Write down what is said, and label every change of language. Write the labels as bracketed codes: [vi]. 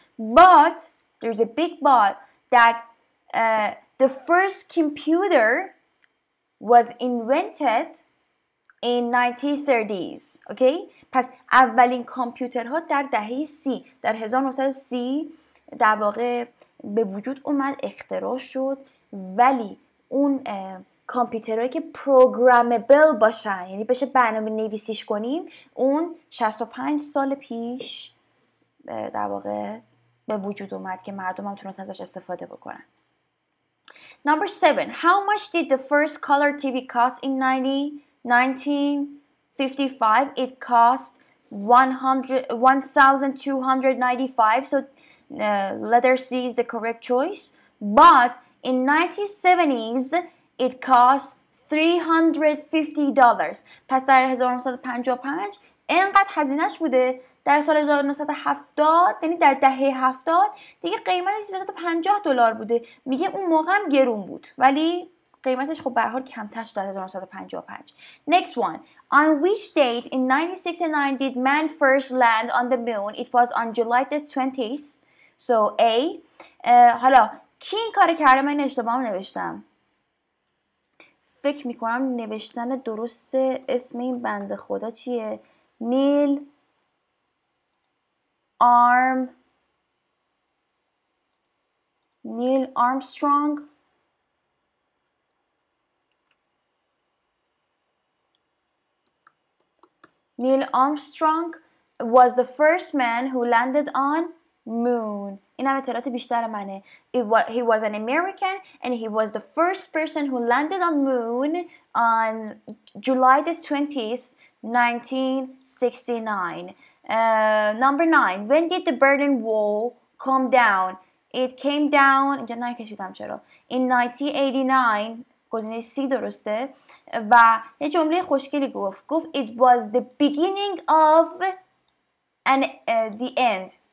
[en] But there's a big but that the first computer was invented in 1930s. Okay? [fa] پس اولین کامپیوترها در دهه 30 در 1930 در واقع به وجود اومد اختراع شد ولی اون کامپیوترهایی که پروگرامبل باشن یعنی بشه برنامه نویسیش کنیم اون 65 سال پیش در واقع به وجود اومد که مردم هم تونستن ازش استفاده بکنن. [en] Number 7. How much did the first color TV cost in 1955? It cost 1,295. So letter C is the correct choice. But in 1970s, it cost $350. [fa] پس در 1955 اینقدر هزینش بوده در سال 1970 یعنی در دهه 70 دیگه قیمت 350 دلار بوده میگه اون موقع هم گرون بود ولی قیمتش خب به هر حال کمتر شده در 1955. [en] Next one. On which date in 1969 did man first land on the moon? It was on July the 20th. So A. [fa] حالا کی این کار کرده من اشتباه نوشتم فکر میکنم نوشتن درست اسم این بنده خدا چیه؟ نیل آرم نیل آرمسترانگ نیل آرمسترانگ [en] was the first man who landed on moon. [fa] این هم اطلاعات بیشتر منه. [en] He was an American and he was the first person who landed on moon on July the 20th, 1969. Number 9. When did the Berlin Wall come down? It came down [fa] اینجا نکشیدم چرا. [en] In 1989 [fa] گزینه C درسته و یه جمله خوشگلی گفت. گفت [en] it was the beginning of an, the end.